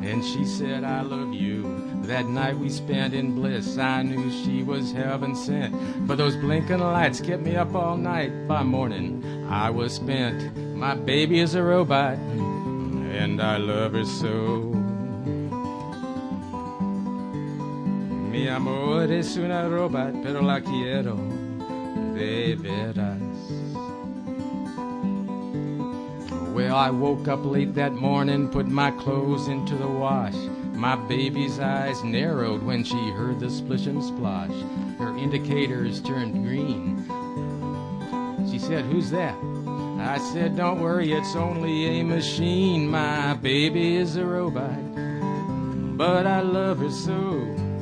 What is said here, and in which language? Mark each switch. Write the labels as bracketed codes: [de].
[en] And she said, I love you. That night we spent in bliss, I knew she was heaven sent. But those blinking lights kept me up all night. By morning, I was spent. My baby is a robot, and I love her so. [es] Mi amor es una robot, pero la quiero de veras. [en] Well, I woke up late that morning, put my clothes into the wash. My baby's eyes narrowed when she heard the splish and splash. Her indicators turned green. She said, who's that? I said, don't worry, it's only a machine. My baby is a robot, but I love her so.